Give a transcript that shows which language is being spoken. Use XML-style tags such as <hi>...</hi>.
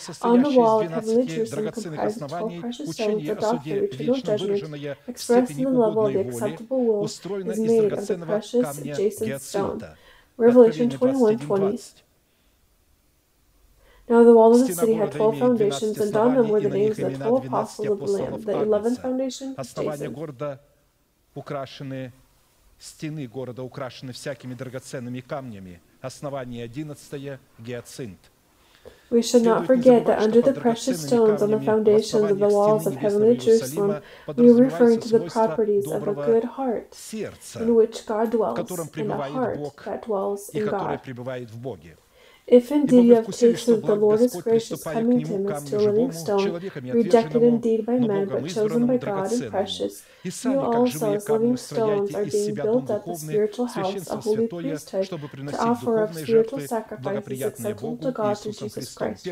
<en>On the wall of heavenly Jerusalem comprised of 12 precious stones, the doctrine of eternal judgment expressed in the level of the acceptable will is made of the precious adjacent stone. Revelation 21:20. Now the walls of the city had 12 foundations, and on them were the names of the 12 apostles of the Lamb. The 11th foundation, Jason.</en> <ru>Стены города украшены всякими драгоценными камнями. Основание 11-е – гиацинт.</ru> <en>We should not forget that under the precious stones on the foundations of the walls of heavenly Jerusalem, we are referring to the properties of a good heart in which God dwells, in a heart that dwells in God. If indeed you have tasted that the Lord is gracious, coming to him as to a living stone, rejected indeed by men, but chosen by God and precious, you also as living stones are being built up a spiritual house, a holy priesthood, to offer up spiritual sacrifices acceptable to God through Jesus Christ.</en>